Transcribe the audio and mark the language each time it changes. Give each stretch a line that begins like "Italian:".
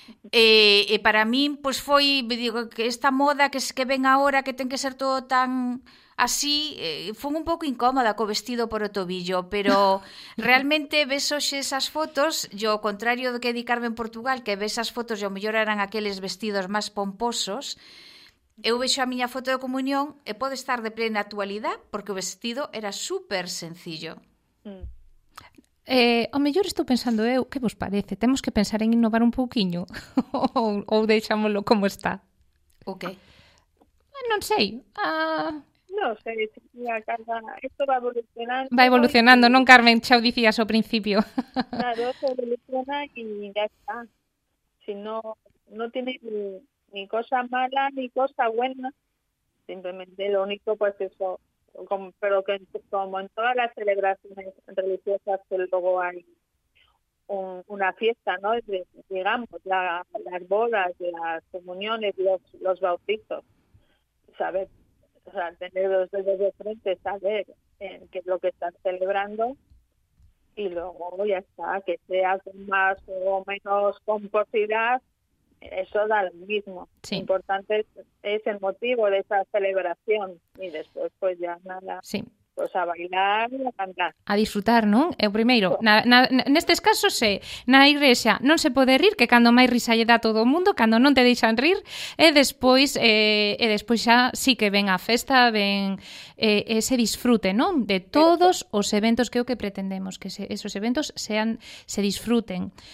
Galician: E para min, pois foi, digo, que esta moda que ven agora, que ten que ser todo tan así, foi un pouco incómoda co vestido por o tobillo, pero realmente ves hoxe esas fotos, yo, ao contrario do que di Carmen en Portugal, que ves esas fotos e ao mellor eran aqueles vestidos máis pomposos, eu vexo a miña foto de comunión e pode estar de plena actualidade, porque o vestido era super sencillo. O mellor estou pensando eu, que vos parece? Temos que pensar en innovar un pouquiño ou deixámolo como está? O que? Non sei. Non sei, mira, Carla, isto va evolucionando. Va evolucionando, non, Carmen? Xa o dicías ao principio.
Spanish: Claro, se evoluciona e ya está. Si non tiene ni cosa mala ni cosa buena, simplemente lo único, pues eso... pero que como en todas las celebraciones religiosas que luego hay una fiesta, ¿no? Digamos, las bodas, las comuniones, los bautizos, saber, o sea, tener los dedos de frente, saber qué es lo que están celebrando y luego ya está, que sea con más o menos pomposidad, eso da lo mismo. Sí. Lo importante es el motivo de esa celebración y después pues ya nada. Sí. Pues a bailar y a cantar.
Galician: A disfrutar, non? É o primeiro. Nestes casos, na igrexa non se pode rir, que cando máis risa lle dá todo o mundo, cando non te deixan rir, e despois xa sí que ven a festa, ven ese disfrute, non? De todos os eventos que é o que pretendemos, que esos eventos se disfruten.